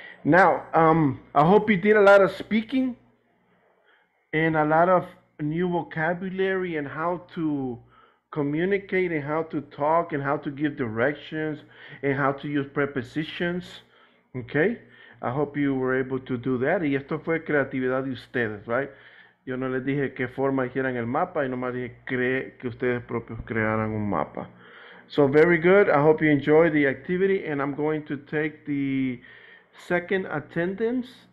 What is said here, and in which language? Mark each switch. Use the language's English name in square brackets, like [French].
[English] Now, I hope you did a lot of speaking and a lot of new vocabulary and how to communicate and how to talk and how to give directions and how to use prepositions. Okay. I hope you were able to do that. [Spanish] Y esto fue creatividad de ustedes, right? Yo no les dije qué forma hicieran el mapa, y nomás dije que ustedes propios crearan un mapa. [English] So very good. I hope you enjoy the activity, and I'm going to take the second attendance.